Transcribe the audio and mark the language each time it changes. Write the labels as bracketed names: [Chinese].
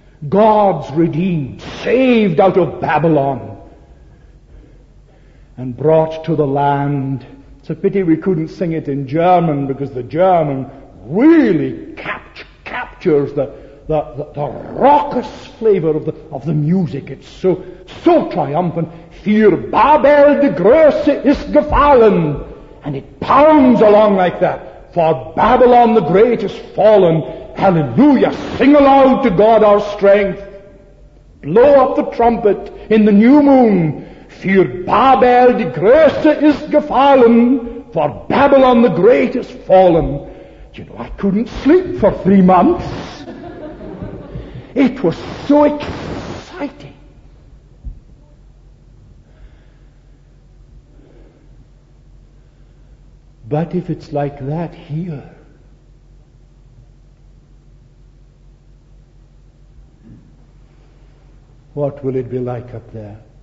[English] God's redeemed, saved out of Babylon, and brought to the land. It's a pity we couldn't sing it in German, because the German really captures the raucous flavor of the music. It's so triumphant. [German] Für Babel die Große ist gefallen. [English] And it pounds along like that. For Babylon the Great is fallen. Hallelujah, sing aloud to God our strength. Blow up the trumpet in the new moon. [German] Für Babel die Große ist gefallen. [English] For Babylon the Great is fallen. You know, I couldn't sleep for 3 months. It was so exciting. But if it's like that here, what will it be like up there?